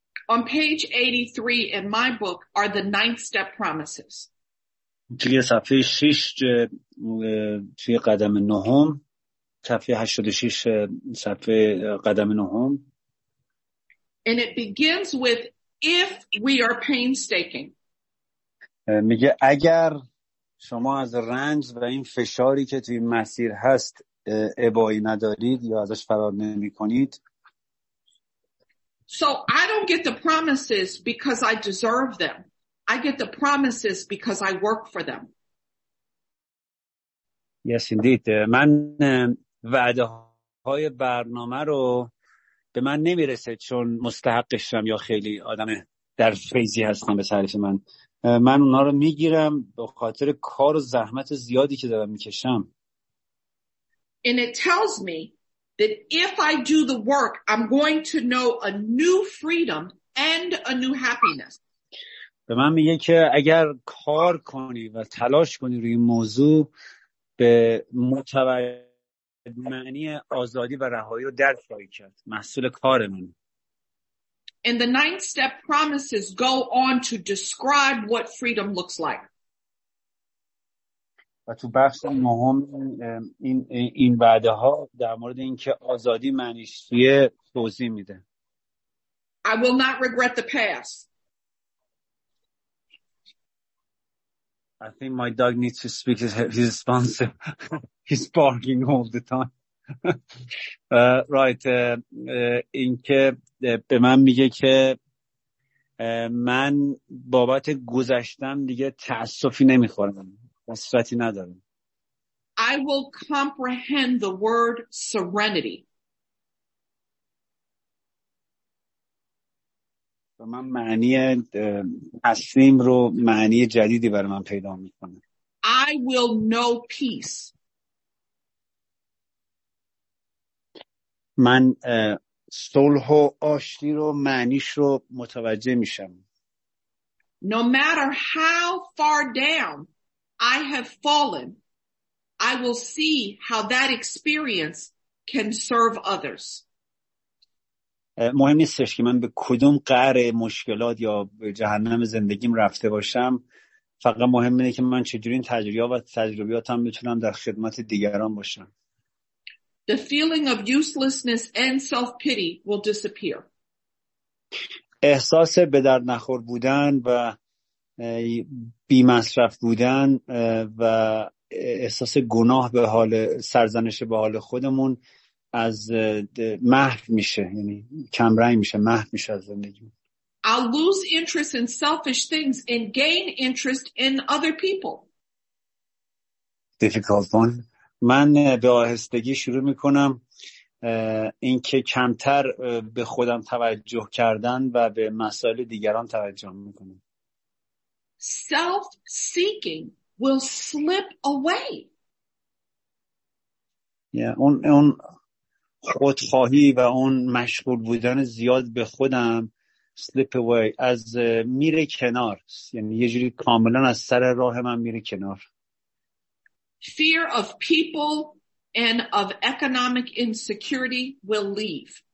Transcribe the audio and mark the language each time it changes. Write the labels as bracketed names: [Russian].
[English] On page 83 in my book are the ninth step promises. [Persian] توی صفحه 6 توی قدم نهم، صفحه 86 صفحه قدم نهم. [English] And it begins with if we are painstaking. [Persian] میگه اگر شما از رنج و این فشاری که توی مسیر هست ابایی ندارید یا ازش فرار نمی کنید. [English] So I don't get the promises because I deserve them. I get the promises because I work for them. Yes, indeed. [Persian] من وعده های برنامه رو به من نمیرسه چون مستحقشم یا خیلی آدم در فیزی هستم به تعریف من. من اونا رو میگیرم به خاطر کار و زحمت زیادی که دارم میکشم. [English] And it tells me that if I do the work, I'm going to know a new freedom and a new happiness. [Persian] به من میگه که اگر کار کنی و تلاش کنی روی این موضوع به متوجه معنی آزادی و رهایی رو درک خواهی کرد. محصول کار من. [English] And the ninth step promises go on to describe what freedom looks like. [Persian] و تو بخش مهم این وعده ها در مورد اینکه آزادی معنیش چیه توضیح میده. [English] I will not regret the past. I think my dog needs to speak to his sponsor. He's barking all the time. right. [Persian] این که به من میگه که من بابت گذشتم دیگه تأسفی نمیخورم. حسرتی ندارم. [English] I will comprehend the word serenity. [Persian] و من معنی تسلیم رو معنی جدیدی برای من پیدا میکنه. [English] I will know peace. [Persian] من صلح و آشتی رو معنیش رو متوجه میشم. [English] No matter how far down I have fallen, I will see how that experience can serve others. [Persian] مهم نیستش که من به کدوم قعر مشکلات یا جهنم زندگیم رفته باشم، فقط مهم اینه که من چجوری این تجربیات و تجربیاتم میتونم در خدمت دیگران باشم. [English] The feeling of uselessness and self-pity will disappear. [Persian] احساس به درد نخور بودن و بی‌مصرف بودن و احساس گناه به حال سرزنش به حال خودمون از محو میشه، یعنی کم رنگ میشه، محو میشه از زندگی. [English] I'll lose interest in selfish things and gain interest in other people. Difficult one. [Persian] من به آهستگی شروع میکنم اینکه کمتر به خودم توجه کردن و به مسائل دیگران توجه میکنم. [English] Self-seeking will slip away. Yeah, [Persian] اون خودخواهی و اون مشغول بودن زیاد به خودم [English] slip away [Persian] از میره کنار، یعنی یه جوری کاملا از سر راه من میره کنار. [English] Fear of people and of economic insecurity will leave.